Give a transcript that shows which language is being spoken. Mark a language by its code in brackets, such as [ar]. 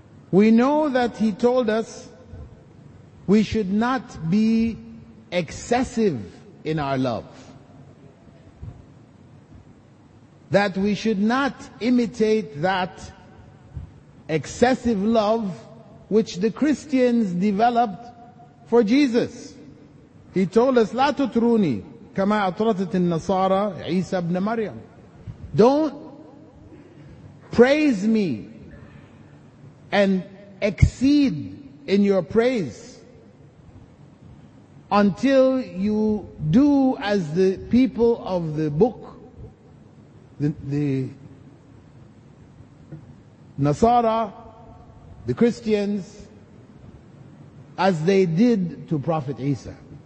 [en] We know that he told us we should not be excessive in our love. That we should not imitate that excessive love which the Christians developed for Jesus. He told us, [ar] لا تتروني كما أطرتت النصارى عيسى بن مريم. [en] Don't praise me and exceed in your praise until you do as the people of the book, the Nasara, the Christians, as they did to Prophet Isa.